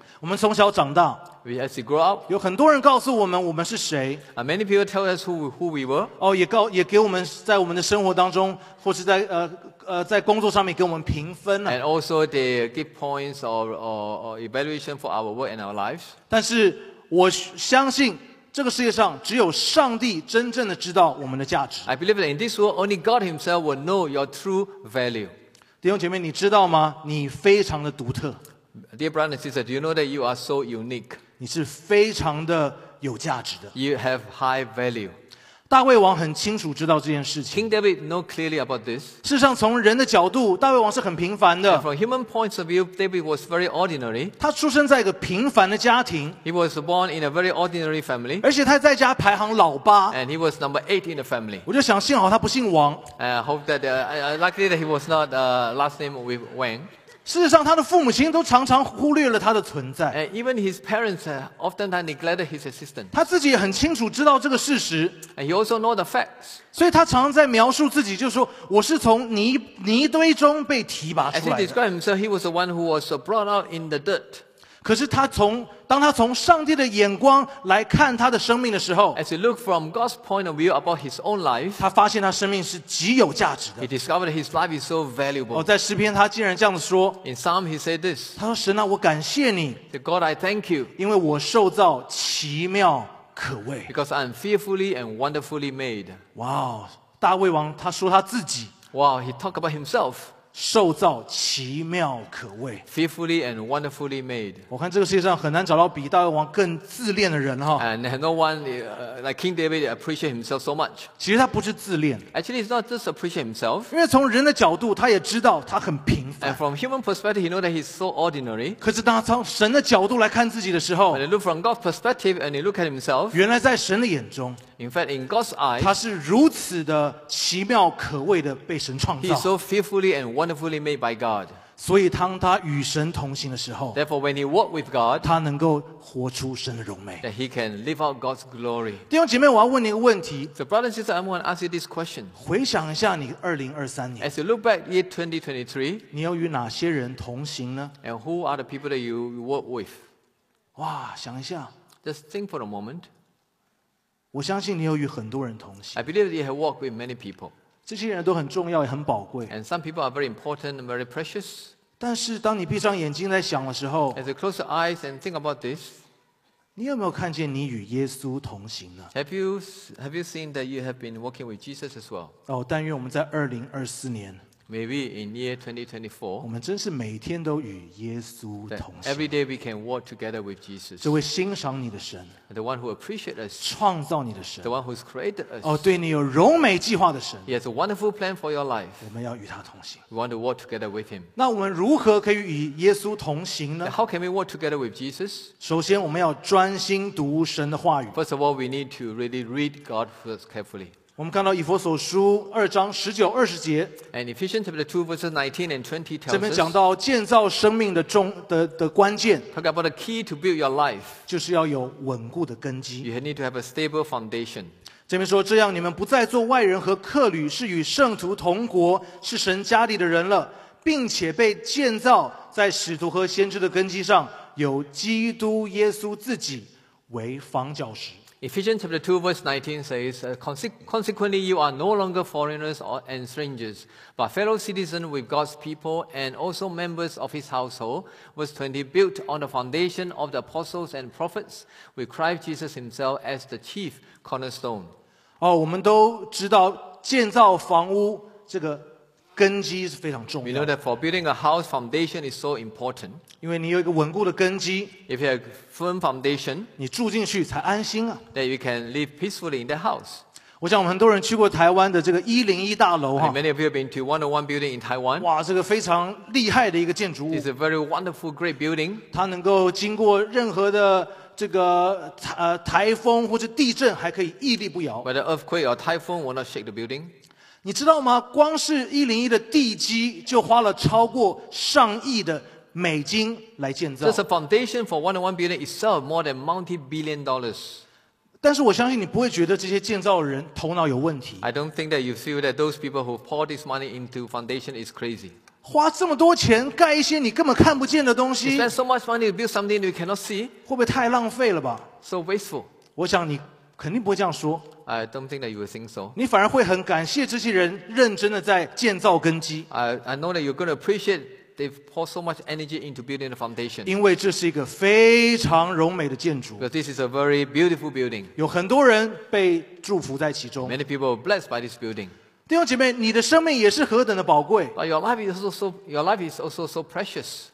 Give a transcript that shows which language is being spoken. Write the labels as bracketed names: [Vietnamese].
[Chinese] 我们从小长大。 [English] as we grow up, [Chinese] 有很多人告诉我们我们是谁。 [English] Many people tell us who we were. [Chinese] 也给我们在我们的生活当中，或是在在工作上面给我们评分。 [English] And also they give points or evaluation for our work and our lives. [Chinese] 但是我相信这个世界上只有上帝真正的知道我们的价值。 [English] I believe that in this world only God Himself will know your true value. [Chinese] 弟兄姐妹，你知道吗？你非常的独特。 [English] Dear brother and sister, do you know that you are so unique? [Chinese] 你是非常的有价值的。 [English] You have high value. [Chinese] 大卫王很清楚知道这件事情。 [English] King David know clearly about this. [Chinese] 事实上，从人的角度，大卫王是很平凡的。 [English] And from human points of view, David was very ordinary. [Chinese] 他出生在一个平凡的家庭。 [English] He was born in a very ordinary family. [Chinese] 而且他在家排行老八。 [English] And he was number 8 in the family. [Chinese] 我就想，幸好他不姓王。 [English] I hope that luckily that he was not last name with Wang. [Chinese] 事实上，他的父母亲都常常忽略了他的存在。 [English] Even his parents oftentimes neglected his assistance. [Chinese] 他自己也很清楚知道这个事实。 [English] And he also know the facts. [Chinese] 所以他常在描述自己，就是说我是从泥堆中被提拔出来的。 [English] As he described himself, he was the one who was brought out in the dirt. [Chinese] 可是当他从上帝的眼光来看他的生命的时候 [English] ，As he looked from God's point of view about his own life， [Chinese] 他发现他生命是极有价值的。 [English] He discovered his life is so valuable。 [Chinese] 在诗篇他竟然这样子说 [English] ，In Psalm he said this。 [Chinese] 他说：“神啊，我感谢你 [English] ，The God I thank you， [Chinese] 因为我受造奇妙可畏 [English] ，Because I'm fearfully and wonderfully made。” [Chinese] 哇，大卫王他说他自己 [English] ，Wow， he talked about himself。 [Chinese] 受造奇妙可畏 [English] ，fearfully and wonderfully made。 [Chinese] 我看这个世界上很难找到比大卫王更自恋的人哈。 [English] And no one like King David appreciate himself so much。 [Chinese] 其实他不是自恋 [English] ，Actually he's not just appreciate himself。 [Chinese] 因为从人的角度，他也知道他很平凡。 [English] And from human perspective, he knows that he's so ordinary。 [Chinese] 可是当他从神的角度来看自己的时候 [English] ，When he looks from God's perspective and he looks at himself， [Chinese] 原来在神的眼中。 [English] In fact, in God's eyes, [Chinese] 他是如此的奇妙可畏的被神创造。 [English] He is so fearfully and wonderfully made by God. [Chinese] 所以当他与神同行的时候 [English] ，Therefore, when he walked with God, [Chinese] 他能够活出神的荣美。 [English] That he can live out God's glory. [Chinese] 弟兄姐妹，我要问你一个问题。 [English] So, brothers and sisters, I want to ask you this question. [Chinese] 回想一下你2023年。 [English] As you look back year 2023, [Chinese] 你要与哪些人同行呢 [English] ？And who are the people that you work with? [Chinese] 哇，想一下。 [English] Just think for a moment. [Chinese] 我相信你有与很多人同行。 [English] I believe you have walked with many people. [Chinese] 这些人都很重要，也很宝贵。 [English] And some people are very important and very precious. [Chinese] 但是当你闭上眼睛在想的时候 [English] ，As you close your eyes and think about this, [Chinese] 你有没有看见你与耶稣同行呢 [English] ？Have you seen that you have been walking with Jesus as well? [Chinese] 哦，但愿我们在2024年 [English] ，Maybe in year 2024, [Chinese] 我们真是每天都与耶稣同行。 [English] Every day we can walk together with Jesus. [Chinese] 这位欣赏你的神。 [English] The one who appreciates us, [Chinese] 创造你的神 [English] ，The one who's created us, [Chinese] 哦，对你有荣美计划的神 [English] ，He has a wonderful plan for your life. [Chinese] 我们要与他同行 [English] ，We want to walk together with him. [Chinese] 那我们如何可以与耶稣同行呢 [English] ？How can we walk together with Jesus? [Chinese] 首先，我们要专心读神的话语。 [English] First of all, we need to really read God first carefully. [Chinese] 我们看到以弗所书二章十九二十节 [English] ，And Ephesians chapter 2 verses 19 and 20 tells us. [Chinese] 这边讲到建造生命的关键 [English] ，Talk about the key to build your life. [Chinese] 就是要有稳固。 [English] You need to have a stable foundation. [Chinese] 这边说，这样你们不再做外人和客旅，是与圣徒同国，是神家里的人了，并且被建造在使徒和先知的根基上，有基督耶稣自己为房角石。 [English] Ephesians chapter 2 verse 19 says, Consequently, you are no longer foreigners and strangers, but fellow citizens with God's people and also members of his household. Verse 20, built on the foundation of the apostles and prophets, with Christ Jesus himself as the chief cornerstone. [Chinese] 哦，我们都知道建造房屋这个根基是非常重要。 [English] We know that for building a house, foundation is so important. [Chinese] 因为你有一个稳固的根基 [English] ，If you have firm foundation, [Chinese] 你住进去才安心啊。 [English] That you can live peacefully in the house. [Chinese] 我想我们很多人去过台湾的这个101大楼哈。 [English] Many of you have been to 101 building in Taiwan. [Chinese] 哇，这个非常厉害的一个建筑物。 [English] It's a very wonderful, great building. [Chinese] 它能够经过任何的这个台风或者地震，还可以屹立不摇。 [English] Whether earthquake or typhoon will not shake the building. [Chinese] 你知道吗？光是101的地基就花了超过上亿的美金来建造。 [English] This foundation for 101 building itself more than multi-billion dollars. [Chinese] 但是我相信你不会觉得这些建造的人头脑有问题。 [English] I don't think that you feel that those people who pour this money into foundation is crazy. [Chinese] 花这么多钱盖一些你根本看不见的东西。 [English] Is that so much money to build something you cannot see? [Chinese] 会不会太浪费了吧 [English] ？So wasteful. [Chinese] 我想你肯定不会这样说。 [English] I don't think that you will think so. [Chinese] 你反而会很感谢这些人认真的在建造根基。 [English] I know that you're going to appreciate they've poured so much energy into building the foundation. [Chinese] 因为这是一个非常荣美的建筑。 [English] Because this is a very beautiful building. [Chinese] 有很多人被祝福在其中。 [English] Many people are blessed by this building. [Chinese] 弟兄姐妹，你的生命也是何等的宝贵。 [English] Your life is also so precious.